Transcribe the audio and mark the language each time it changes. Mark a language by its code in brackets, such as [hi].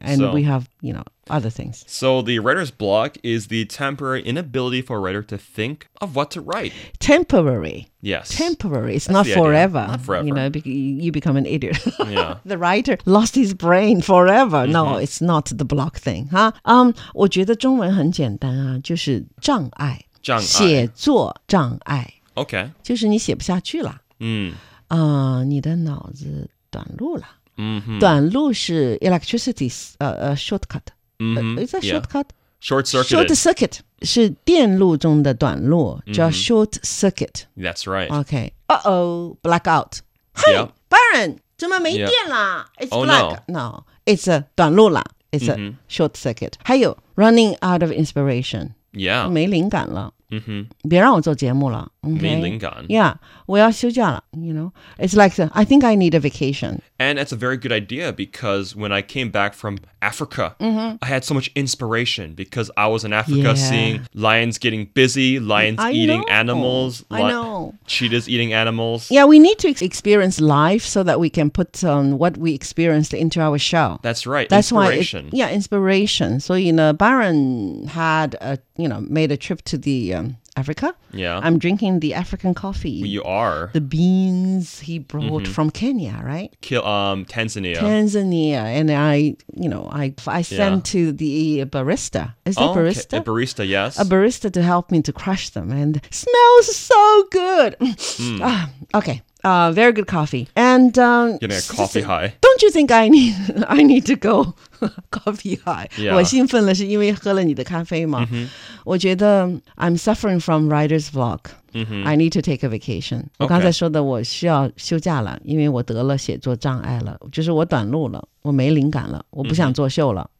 [en] And so, we have, other things. So the writer's block is the temporary inability for a writer to think of what to write. Temporary. Yes. Temporary. It's not forever. Not forever. You know, you become an idiot. Yeah. The writer lost his brain forever. Mm-hmm. No, it's not the block thing. Huh? [zh] 我觉得中文很简单啊, 就是障碍, 障碍. 写作障碍. [en] Okay. [zh] 就是你写不下去了。你的脑子短路了。 [en] Mm-hmm. [zh] 短路是 [en] electricity, shortcut. Mm-hmm. Is that shortcut? Yeah. Short circuit. Short circuit. [zh] 是电路中的短路, 叫 [en] short circuit. That's right. Okay. Uh-oh, blackout. Hey, yep. [zh] Baron, 怎么没电了? [en] It's black. No, it's a [zh] 短路了. [en] It's a short circuit. [zh] 还有, [en] running out of inspiration. Yeah. [zh] 没灵感了。 [en] Mm-hmm. [zh] 别让我做节目了，没灵感。 [en] Yeah, [zh] 我要休假了。 [en] You know, it's like I think I need a vacation. And it's a very good idea because when I came back from Africa, I had so much inspiration because I was in Africa seeing lions getting busy, lions eating animals, cheetahs eating animals. Yeah, we need to experience life so that we can put what we experienced into our show. That's right. That's inspiration. Why inspiration. So you know, Baron had made a trip to the Africa. Yeah. I'm drinking the African coffee. You are. The beans he brought from Kenya, right? Tanzania. Tanzania. And I sent to the barista. Is that a barista? A barista, yes. A barista to help me to crush them. And smells so good. Okay. Very good coffee. And getting a coffee high. Don't you think I need to go coffee high? Yeah. [zh] 我兴奋了是因为喝了你的咖啡吗? [en] Mm-hmm. [zh] 我觉得 [en] I'm suffering from writer's block. Mm-hmm. I need to take a vacation. Okay. [zh] 我刚才说的我需要休假了，因为我得了写作障碍了，就是我短路了，我没灵感了，我不想作秀了。